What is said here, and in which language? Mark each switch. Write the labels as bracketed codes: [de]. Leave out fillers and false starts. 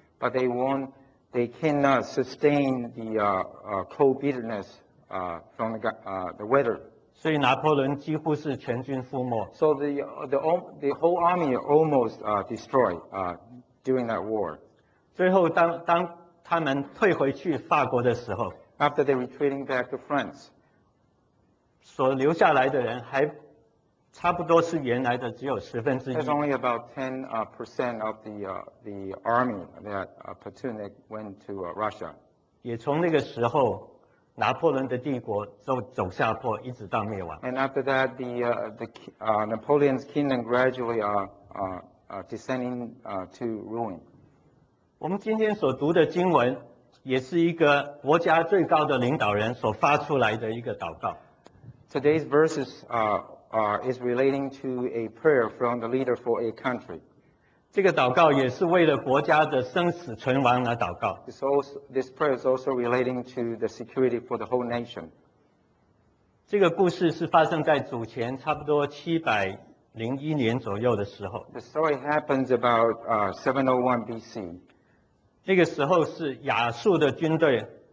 [en] But they won't. They cannot sustain the cold bitterness from the weather. [zh] 所以拿破仑几乎是全军覆没。 [en] So the whole army almost destroyed during that war. [zh] 最后当他们退回去法国的时候 [en] ，After they retreating back to France, [zh] 所留下来的人还差不多是原来的只有十分之一。 [en] There's only about 10% of the army that platoon that went to Russia. [zh] 也从那个时候，拿破仑的帝国就走下坡，一直到灭亡。 [en] And after that, Napoleon's kingdom gradually descending to ruin. [zh] 我们今天所读的经文，也是一个国家最高的领导人所发出来的一个祷告。 [en] Today's verses is relating to a prayer from the leader for a country. [zh] 这个祷告也是为了国家的生死存亡而祷告。 [en] This prayer is also relating to the security for the whole nation. [zh] 这个故事是发生在主前差不多701年左右的时候。 [en] The story happens about 701 BC. [zh] 那个时候是亚述的军队。